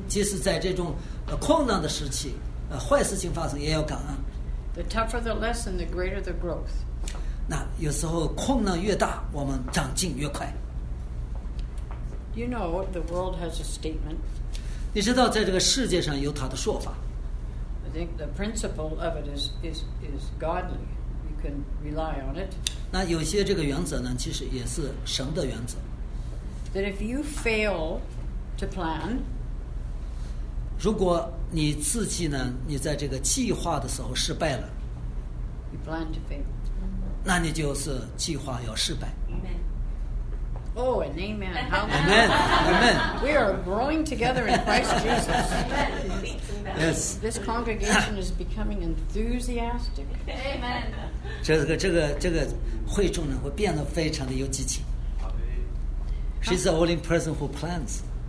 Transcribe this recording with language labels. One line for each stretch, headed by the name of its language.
Chinese: 即使在这种困难的时期，坏事情发生也要感恩。
English: The tougher the lesson, the greater the growth.
Chinese: 那有时候困难越大，我们长进越快。
English: You know the world has a statement.
Chinese: 你知道在这个世界上有他的说法。
English: I think the principle of it is godly. You can rely on it.
Chinese: 那有些这个原则呢，其实也是神的原则。
English: That if you fail to plan,
Chinese: 如果你自己呢，你在这个计划的时候失败了，
English: you plan to fail，
Chinese: 那你就是计划要失败。
English: Amen. Oh, an amen. How amen. Amen. We are growing together in Christ Jesus. Yes. This congregation is becoming enthusiastic. Amen.
Chinese: 这个会众呢会变得非常的有激情。
English: She's the only person who plans.